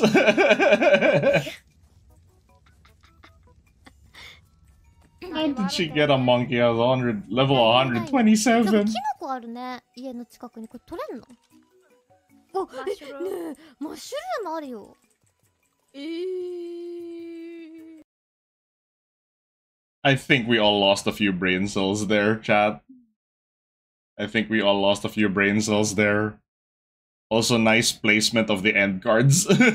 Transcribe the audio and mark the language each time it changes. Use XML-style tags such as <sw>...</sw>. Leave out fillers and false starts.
<en>How did she get a monkey at 100 level 127?</en> <ja>キノコあるね、家の近くに。これ取れんの？お、ねえ、マッシュルームあるよ。</ja> <en>I think we all lost a few brain cells there, chat. I think we all lost a few brain cells there. Also, nice placement of the end cards.</en>